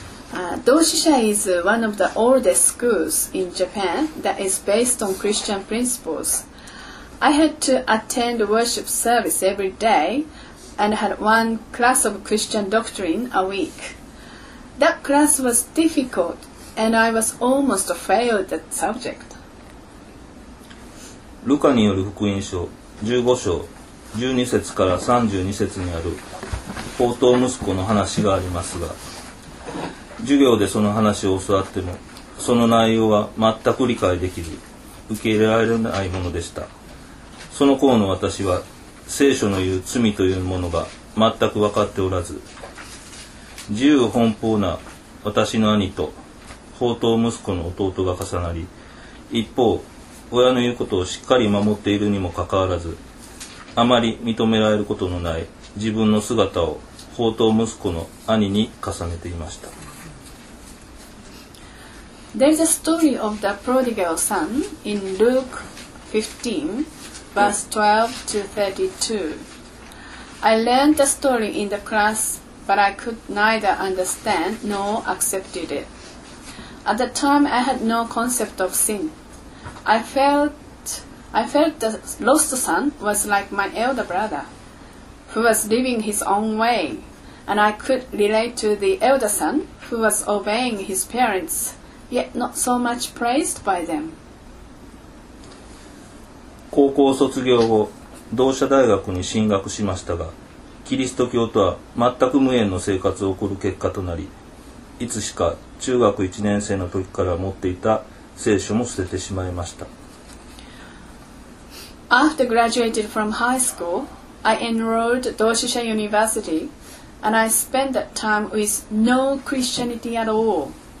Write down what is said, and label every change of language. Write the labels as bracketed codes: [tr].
[en] Doshisha is one of the oldest schools in Japan that is based on Christian principles. I had to attend worship service every day and had one class of Christian doctrine a week. That class was difficult and I was almost failed that subject. [ja] ルカによる福音書15章12節から32節にある放蕩息子の話がありますが、授業でその話を教わってもその内容は全く理解できず受け入れられないものでした。その頃の私は聖書の言う罪というものが全く分かっておらず、自由奔放な私の兄と放蕩息子の弟が重なり、一方親の言うことをしっかり守っているにもかかわらず、あまり認められることのない自分の姿を放蕩息子の兄に重ねていました。 [en] There is a story of the prodigal son in Luke 15, verse 12 to 32. I learned the story in the class, but I could neither understand nor accepted it. At the time, I had no concept of sin. I felt the lost son was like my elder brother, who was living his own way, and I could relate to the elder son who was obeying his parents. Yet not so much praised by them. [ja] 高校卒業後、同志社大学に進学しましたが、キリスト教とは全く無縁の生活を送る結果となり、いつしか中学1年生の時から持っていた聖書も捨ててしまいました。 [en] After graduated from high school, I enrolled 同志社 University, and I spent that time with no Christianity at all.